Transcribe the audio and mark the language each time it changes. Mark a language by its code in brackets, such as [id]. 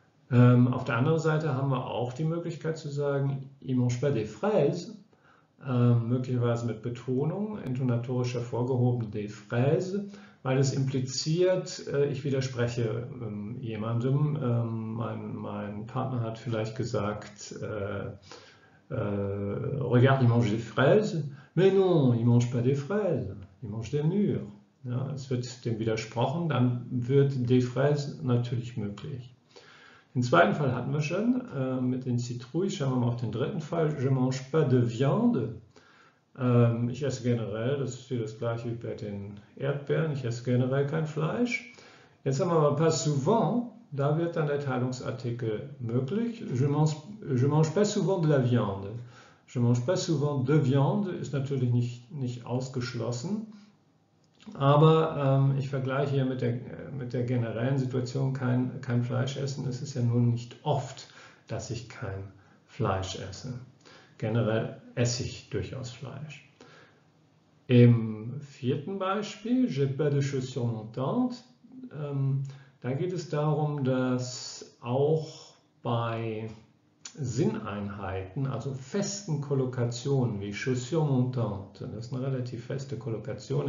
[de] Auf der anderen Seite haben wir auch die Möglichkeit zu sagen, [fr] il mange pas des fraises, [de] möglicherweise mit Betonung, intonatorisch hervorgehoben, des fraises, weil es impliziert, ich widerspreche jemandem. Mein Partner hat vielleicht gesagt, [fr] regarde, il mange des fraises. Mais non, il mange pas des fraises, il mange des mûres. [de] Ja, es wird dem widersprochen, dann wird des fraises natürlich möglich. Den zweiten Fall hatten wir schon mit den Zitrouilles. Schauen wir mal auf den dritten Fall. [fr] Je mange pas de viande. [de] Ich esse generell, das ist wieder das gleiche wie bei den Erdbeeren, ich esse generell kein Fleisch. Jetzt haben wir aber [fr] pas souvent, [de] da wird dann der Teilungsartikel möglich. [fr] Je mange pas souvent de la viande. Je mange pas souvent de viande [de] ist natürlich nicht ausgeschlossen, aber ich vergleiche hier mit der generellen Situation kein Fleisch essen. Es ist ja nun nicht oft, dass ich kein Fleisch esse. Generell esse ich durchaus Fleisch. Im vierten Beispiel, [fr] j'ai pas de chaussures montantes, [de] da geht es darum, dass auch bei Sinneinheiten, also festen Kollokationen wie Chaussure montante, das ist eine relativ feste Kollokation.